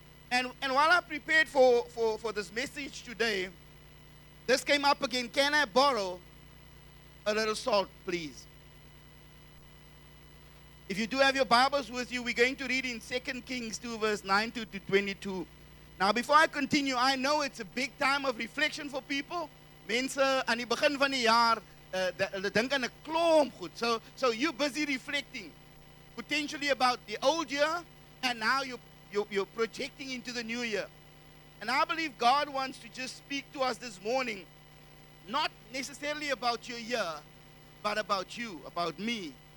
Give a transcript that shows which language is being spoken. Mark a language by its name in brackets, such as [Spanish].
[English] And while I prepared for this message today, this came up again. Can I borrow a little salt, please? If you do have your Bibles with you, we're going to read in 2 Kings 2, verse 9 to 22. Now, before I continue, I know it's a big time of reflection for people. [Afrikaans] Mense aan die begin van die jaar, hulle dink aan 'n klomp goed. [English] So you're busy reflecting, potentially about the old year, and now you're projecting into the new year. And I believe God wants to just speak to us this morning, not necessarily about your year, but about you, about me.